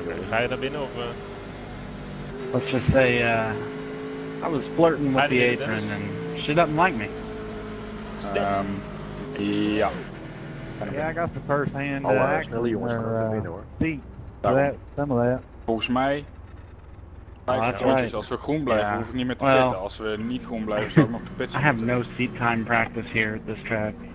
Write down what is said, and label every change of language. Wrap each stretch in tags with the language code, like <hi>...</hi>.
<nl>Ga je daar binnen of?</nl> <en>Let's just say, I was flirting with the apron and she doesn't like me. Yeah. Yeah, I got the first hand action or feet. Some of that.</en> <nl>Volgens mij... Als we groen blijven, hoef ik niet meer te pitten. Als we niet groen blijven, zou ik nog te pitten.</nl> <en>I have no seat time practice here at this track.</en>